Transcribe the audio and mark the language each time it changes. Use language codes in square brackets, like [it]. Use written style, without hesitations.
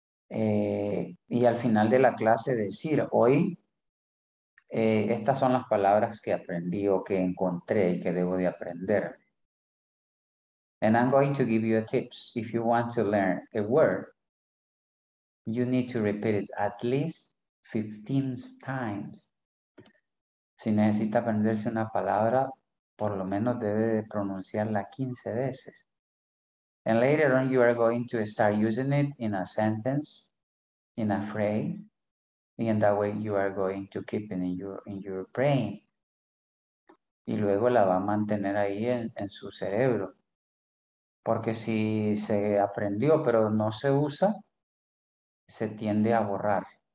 [es] Y al final de la clase decir, hoy, estas son las palabras que aprendí o que encontré y que debo de aprender. [en] And I'm going to give you a tips. If you want to learn a word, you need to repeat it at least 15 times. [es] Si necesita aprenderse una palabra, por lo menos debe de pronunciarla 15 veces. [en] And later on, you are going to start using it in a sentence, in a phrase, and that way you are going to keep it in your brain. [es] Y luego la va a mantener ahí en su cerebro. Porque si se aprendió pero no se usa, se tiende a borrar.